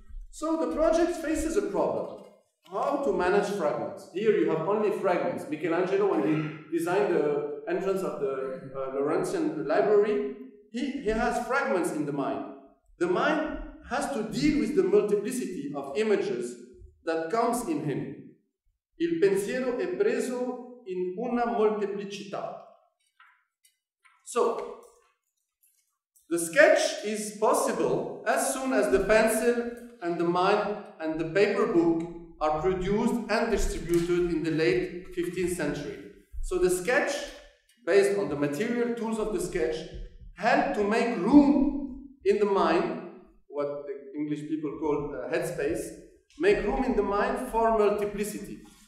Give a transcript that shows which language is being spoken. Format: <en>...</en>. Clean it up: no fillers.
<en>So the project faces a problem. How to manage fragments? Here you have only fragments. Michelangelo, when he designed the entrance of the Laurentian library, he has fragments in the mind. The mind has to deal with the multiplicity of images that comes in him.</en> <it>Il pensiero è preso in una molteplicità. So,</it> <en>The sketch is possible as soon as the pencil and the mind and the paper book are produced and distributed in the late 15th century. So the sketch, based on the material tools of the sketch, help to make room in the mind, what the English people call headspace, make room in the mind for multiplicity.</en>